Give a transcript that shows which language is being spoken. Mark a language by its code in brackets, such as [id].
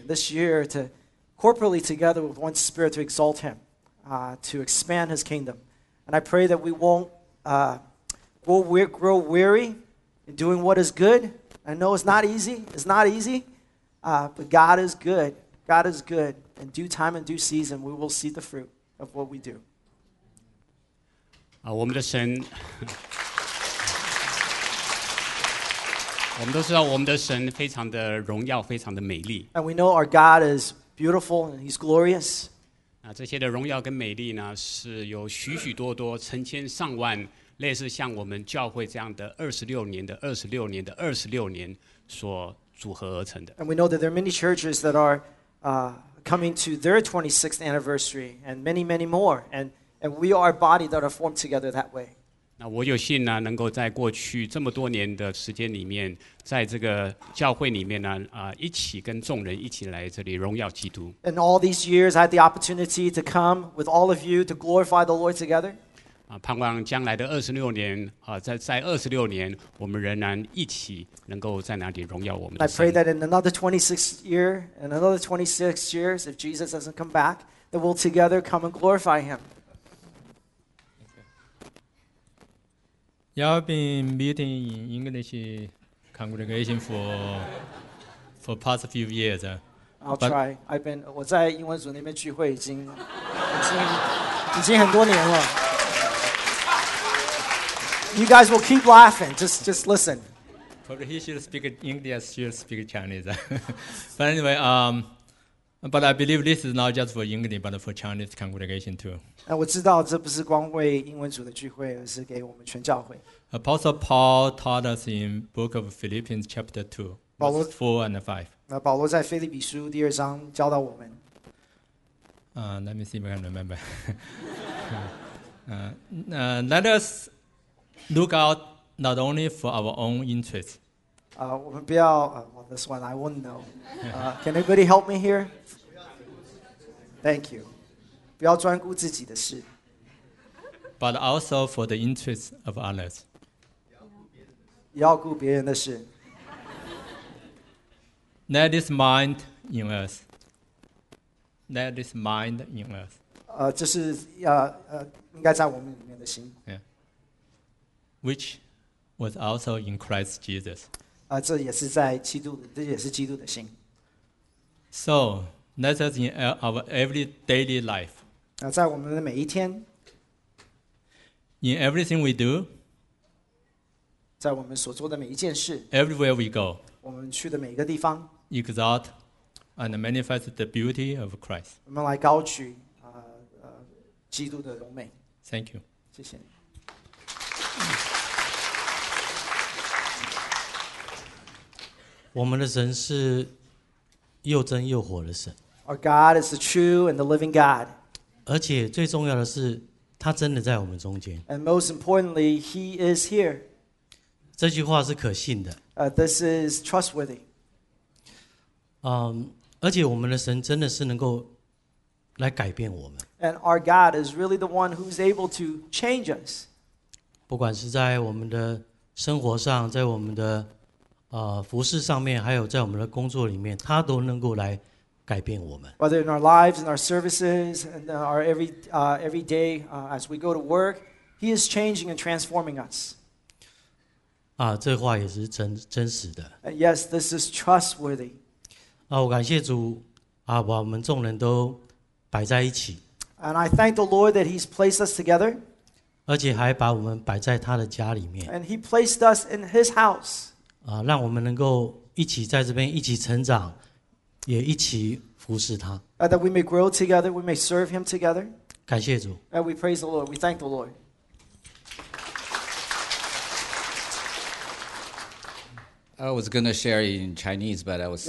[en] This year, to corporately together with one spirit to exalt him, to expand his kingdom. And I pray that we won't grow weary in doing what is good. I know it's not easy, but God is good. God is good. In due time and due season, we will see the fruit of what we do. [zh] 我们的神，我们都知道我们的神非常的荣耀，非常的美丽。 [en] And we know our God is beautiful and He's glorious. [zh] 这些的荣耀跟美丽呢，是有许许多多、成千上万，类似像我们教会这样的二十六年所组合而成的。 [en] And we know that there are many churches that are coming to their 26th anniversary, and many, many more. And we are a body that are formed together that way. [zh] 那我有幸呢，能够在过去这么多年的时间里面，在这个教会里面呢，一起跟众人一起来这里荣耀基督。 [en] In all these years, I had the opportunity to come with all of you to glorify the Lord together. [zh] 盼望将来的二十六年，在二十六年，我们仍然一起能够在哪里荣耀我们的神。 [en] I pray that in another 26 years, if Jesus doesn't come back, that we'll together come and glorify Him. 여러분미디어인인근에시강구레가이신 for past few years. I'll try. I've been [zh] 我在英文组那边聚会已经很多年了。 [en] You guys will keep laughing. Just listen. Probably he should speak English, she should speak Chinese. But anyway, but I believe this is not just for English, but for Chinese congregation too. [zh] 我知道这不是光为英文组的聚会，而是给我们全教会。 [en] Apostle Paul taught us in Book of Philippians chapter 2, verses 4 and 5. [zh] 那保罗在腓立比书第二章教导我们。 [en] Let me see if I can remember. let us... Look out not only for our own interests. This one I wouldn't know. Can anybody help me here? Thank you. [zh] 不要专顾自己的事。 [en] But also for the interests of others. [zh] 要顾别人的事。 [en] Let this mind in us. Let this mind in us. [zh] 这是应该在我们里面的心。 [en] Yeah. Which was also in Christ Jesus. [zh] 这也是在基督的，这也是基督的心。 [en] So, let us in our every daily life. [zh] 在我们的每一天。 [en] In everything we do. [zh] 在我们所做的每一件事。 [en] Everywhere we go. [zh] 我们去的每一个地方。 [en] Exalt and manifest the beauty of Christ. [zh] 我们来高举基督的荣美。 [en] Thank you. [zh] 谢谢你。我们的神是又真又活的神。 [en] Our God is the true and the living God. [zh] 而且最重要的是，他真的在我们中间。 [en] And most importantly, He is here. [zh] 这句话是可信的。 [en] This is trustworthy. [zh] 而且我们的神真的是能够来改变我们。 [en] And our God is really the one who is able to change us. [zh] 不管是在我们的生活上，在我们的服事上面，还有在我们的工作里面，他都能够来改变我们。 [en] Whether in our lives, in our services, and our every day, as we go to work, He is changing and transforming us. [zh] 啊，这话也是真实的。 [en] Yes, this is trustworthy. [zh] 啊，我感谢主，啊，把我们众人都摆在一起。 [en] And I thank the Lord that He's placed us together. [zh] 而且还把我们摆在他的家里面。 [en] And He placed us in His house. [zh] 啊，让我们能够一起在这边一起成长，也一起服侍他。 [en] That we may grow together, we may serve Him together. [zh] 感谢主。 [en] And we praise the Lord. We thank the Lord. I was going to share in Chinese, but I was